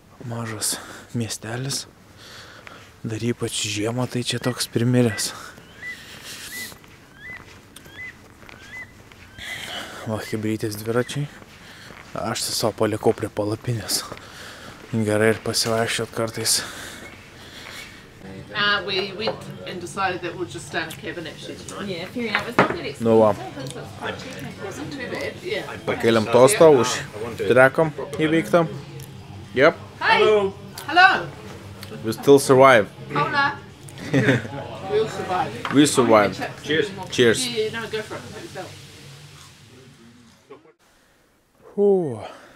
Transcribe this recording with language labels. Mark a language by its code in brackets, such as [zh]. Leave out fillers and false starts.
[lt] Mažas miestelis. Dar ypač žiemą, tai čia toks primiręs. Va, hybridinis dviračiai. Aš tiesiog palikau prie palapinės. Gerai ir pasivaikščiot kartais. [en] We went and decided that we'll just stay in a cabin actually tonight. Yeah, if you're out with somebody. No, it wasn't too bad, yeah. [lt] Pakeliam tostą už trekam įvyktą. [en] Yep. Hey. Hello. Hello. We still survive. Hola. We'll survive. We survive. Cheers. Cheers. Yeah, no, go for it.